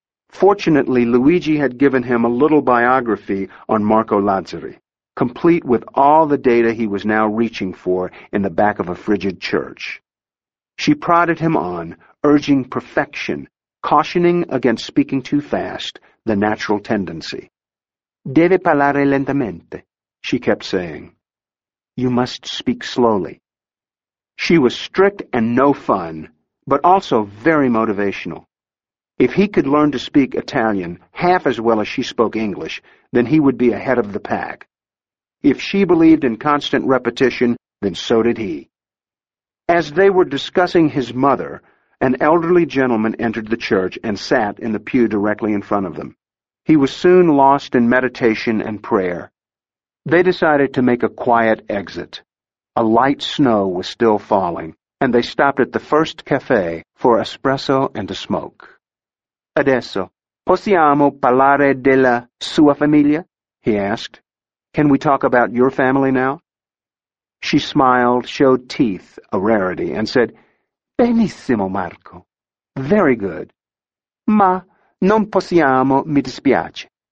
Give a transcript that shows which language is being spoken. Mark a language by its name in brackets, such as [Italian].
[English] Fortunately, Luigi had given him a little biography on Marco Lazzari, complete with all the data he was now reaching for in the back of a frigid church. She prodded him on, urging perfection, cautioning against speaking too fast, the natural tendency. [Italian] Deve parlare lentamente, [English] she kept saying. You must speak slowly. She was strict and no fun, but also very motivational. If he could learn to speak Italian half as well as she spoke English, then he would be ahead of the pack. If she believed in constant repetition, then so did he. As they were discussing his mother, an elderly gentleman entered the church and sat in the pew directly in front of them. He was soon lost in meditation and prayer. They decided to make a quiet exit. A light snow was still falling, and they stopped at the first cafe for espresso and a smoke. [Italian] Adesso, possiamo parlare della sua famiglia? [English] He asked. Can we talk about your family now? She smiled, showed teeth, a rarity, and said, [Italian] Benissimo, Marco. [English] Very good. [Italian] Ma non possiamo, mi dispiace.